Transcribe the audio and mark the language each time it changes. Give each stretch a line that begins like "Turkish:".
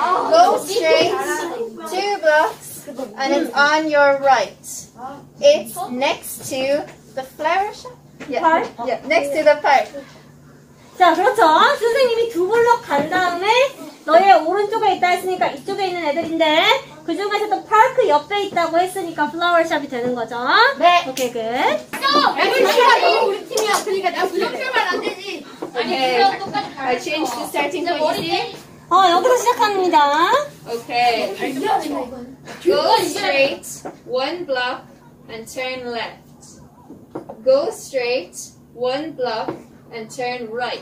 English: Go straight 2 blocks and it's on your right. It's next to the flower shop? Yeah, next to the park.
Korean: 자, 그렇죠. 선생님이 두 블록 간 다음에 너의 오른쪽에 있다 했으니까 이쪽에 있는 애들인데 그 중에서도 파크 옆에 있다고 했으니까 플라워샵이 되는 거죠? 네! 오케이, 굿! 야, 우리 팀이야! 우리 팀이야! 그러니까 나 블록샵을 안 되지! 아니, 그냥 똑같이 가
English: I change the starting point.
Korean: 여기서 시작합니다. 오케이.
English: Okay. Go straight one block and turn left. Go straight one block and turn right.